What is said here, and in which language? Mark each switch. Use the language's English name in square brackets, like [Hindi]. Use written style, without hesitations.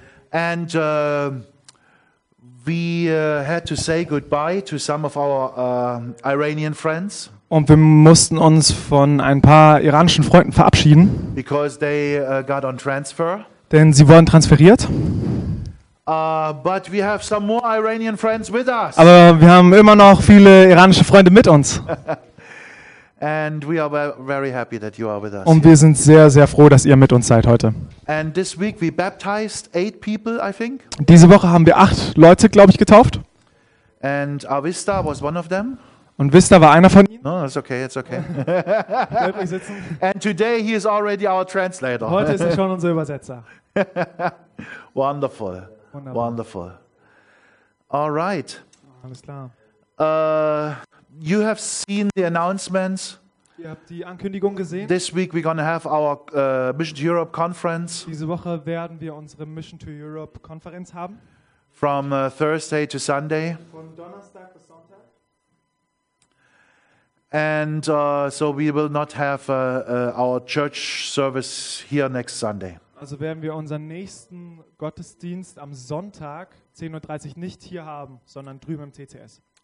[English] And we had to say goodbye to some of our Iranian friends. [German] Und wir mussten uns von ein paar iranischen Freunden verabschieden. [English] Because they got on transfer. [German] Denn sie wurden transferiert. [English] But we have some more Iranian friends with us. [German] Aber wir haben immer noch viele iranische Freunde mit uns. [English] And we are very happy that you are with us. [German] Und wir sind sehr, sehr froh, dass ihr mit uns seid heute. [English] And this week we baptized 8 people, I think. [German] Diese Woche haben wir 8 Leute, glaube ich, getauft. [English] And Avista was one of them. [German] Und Vista war einer von ihnen. [English] No, it's okay, it's okay. [German] Bleib ruhig sitzen. [English] And today he is already our translator. [German] Heute ist er schon unser Übersetzer. [English] Wonderful. [German] Wunderbar. [English] Wonderful. All right. [German] Alles klar. [English] You have seen the announcements. [German] Ihr habt die Ankündigung gesehen. [English] This week we're going to have our Mission to Europe conference. [German] Diese Woche werden wir unsere Mission to Europe Konferenz haben. [English] From Thursday to Sunday. [German] Von Donnerstag bis Sonntag. [English] And so we will not have our church service here next Sunday. [German] Also werden wir unseren nächsten Gottesdienst am Sonntag 10.30 Uhr nicht hier haben, sondern drüben im CCS.